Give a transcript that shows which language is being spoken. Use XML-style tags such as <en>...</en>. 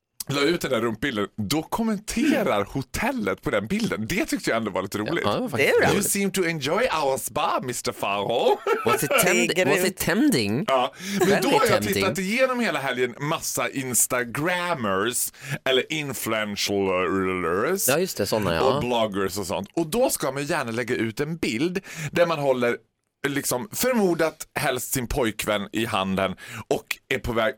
<sv>La ut den där rumpbilden. Då kommenterar hotellet på den bilden. Det tyckte jag ändå var lite roligt. Ja, det var faktiskt roligt.</sv> <en>You seem to enjoy our spa, Mr. Farao. Was it tending?</en> <sv>Ja. Men då har jag tittat igenom hela helgen massa Instagrammers eller influencers. Ja, just det. Såna, ja. Och bloggers och sånt. Och då ska man gärna lägga ut en bild där man håller liksom förmodat helst sin pojkvän i handen och är på väg.</sv>